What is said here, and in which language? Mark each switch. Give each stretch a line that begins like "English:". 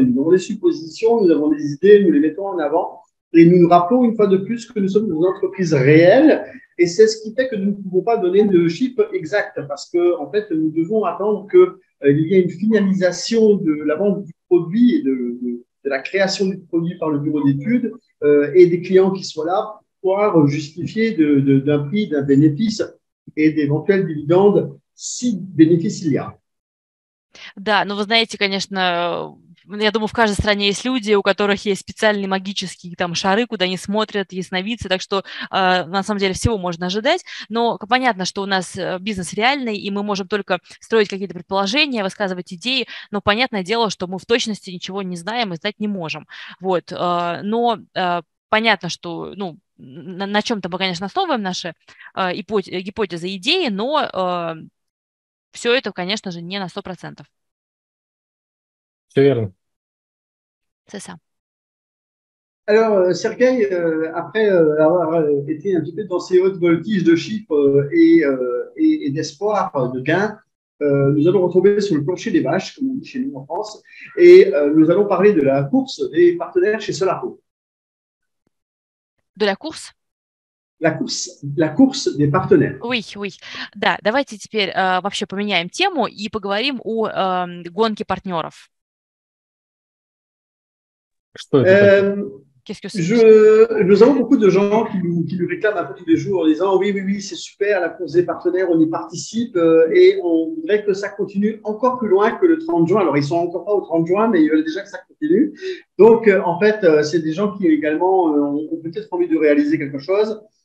French: Nous avons des suppositions, nous avons des idées, nous les mettons en avant et nous nous rappelons une fois de plus que nous sommes une entreprise réelle et c'est ce qui fait que nous ne pouvons pas donner de chiffres exacts parce que, en fait, nous devons attendre qu'il y ait une finalisation de la vente du produit et de la création du produit par le bureau d'études et des clients qui soient là pour pouvoir justifier d'un prix, d'un bénéfice et d'éventuels dividendes si bénéfice il y a.
Russian: Да, ну вы знаете, конечно, я думаю, в каждой стране есть люди, у которых есть специальные магические там шары, куда они смотрят, ясновидцы, так что на самом деле всего можно ожидать, но понятно, что у нас бизнес реальный, и мы можем только строить какие-то предположения, высказывать идеи, но понятное дело, что мы в точности ничего не знаем и знать не можем, вот, но понятно, что, ну, на чем-то мы, конечно, основываем наши гипотезы, идеи, но все это, конечно же, не на 100%. Все верно.
French: C'est ça. Alors, Sergueï, après avoir été un petit peu dans ces hautes voltiges de chiffres et d'espoir de gains, nous allons retomber sur le plancher des vaches, comme on dit chez nous en France, et nous allons parler de la course des partenaires chez Solarco. De la course? La course des partenaires. Oui, oui.
Russian: Да, давайте теперь вообще поменяем тему и поговорим о гонке партнеров. Что это?
French: Qu'est-ce que c'est? Nous avons beaucoup de gens qui nous réclament un peu tous les jours en disant oui, c'est super, la course des partenaires, on y participe et on voudrait que ça continue encore plus loin que le 30 juin. Alors, ils ne sont encore pas au 30 juin, mais ils veulent déjà que ça continue. Donc, en fait, c'est des gens qui également ont peut-être envie de réaliser quelque chose.